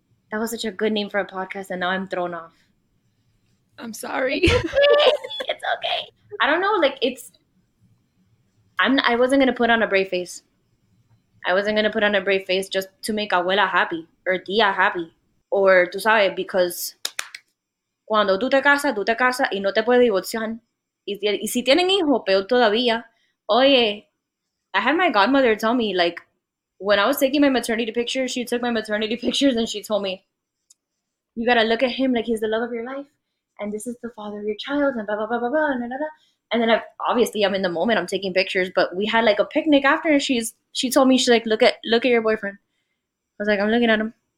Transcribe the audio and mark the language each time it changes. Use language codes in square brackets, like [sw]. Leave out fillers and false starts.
[en] That was such a good name for a podcast, and now I'm thrown off. I'm sorry. It's okay. I don't know. Like, it's, I wasn't going to put on a brave face. I wasn't going to put on a brave face just to make abuela happy or tía happy. [es] Or, tú sabes, because cuando tú te casas y no te puedes divorciar. Y si tienen hijo, peor todavía. [en] Oye, I had my godmother tell me, like, when I was taking my maternity pictures, she took my maternity pictures and she told me, you got to look at him like he's the love of your life. And this is the father of your child and blah, blah, blah, blah, blah, blah, blah. And then obviously I'm in the moment, I'm taking pictures, but we had like a picnic after and she told me, she's like, look at your boyfriend. I was like, I'm looking at him.